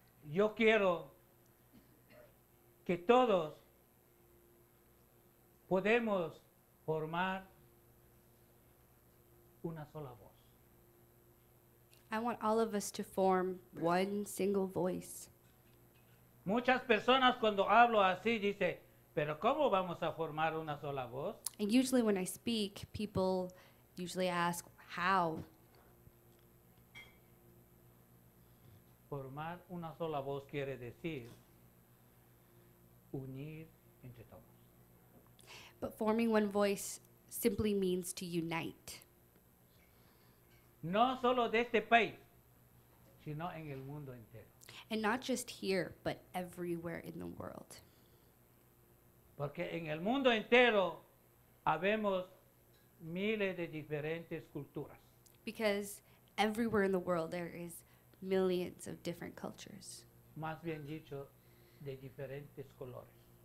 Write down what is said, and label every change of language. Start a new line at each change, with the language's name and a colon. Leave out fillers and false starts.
Spanish: Yo quiero que todos podemos formar una sola voz.
English: I want all of us to form one single voice.
Spanish: Muchas personas cuando hablo así dice, pero ¿cómo vamos a formar una sola voz?
English: And usually when I speak, people usually ask, how?
Spanish: Formar una sola voz quiere decir unir entre todos.
English: But forming one voice simply means to unite.
Spanish: No solo de este país, sino en el mundo entero.
English: And not just here, but everywhere in the world.
Spanish: Porque en el mundo entero habemos miles de diferentes culturas.
English: Because everywhere in the world there is millions of different cultures.
Spanish: Más bien dicho, de diferentes colores.